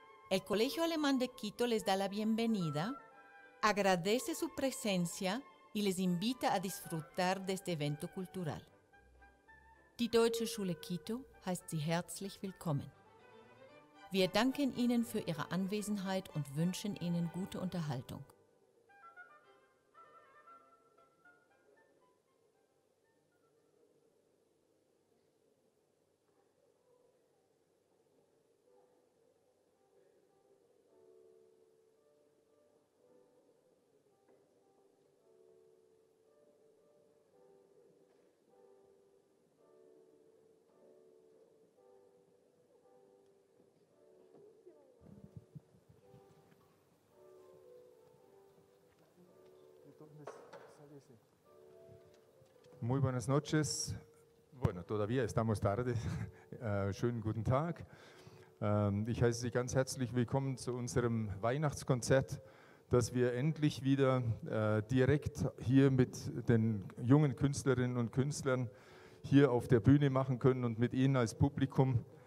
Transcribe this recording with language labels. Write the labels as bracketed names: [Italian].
[Spanish] El Colegio Alemán de Quito les da la bienvenida, agradece su presencia y les invita a disfrutar de este evento cultural. [German] Die Deutsche Schule Quito heißt Sie herzlich willkommen. Wir danken Ihnen für Ihre Anwesenheit und wünschen Ihnen gute Unterhaltung. [Spanish] Muy buenas noches. Bueno, todavía estamos tarde. [German] Schönen guten Tag. Ich heiße Sie ganz herzlich willkommen zu unserem Weihnachtskonzert, das wir endlich wieder direkt hier mit den jungen Künstlerinnen und Künstlern hier auf der Bühne machen können und mit Ihnen als Publikum.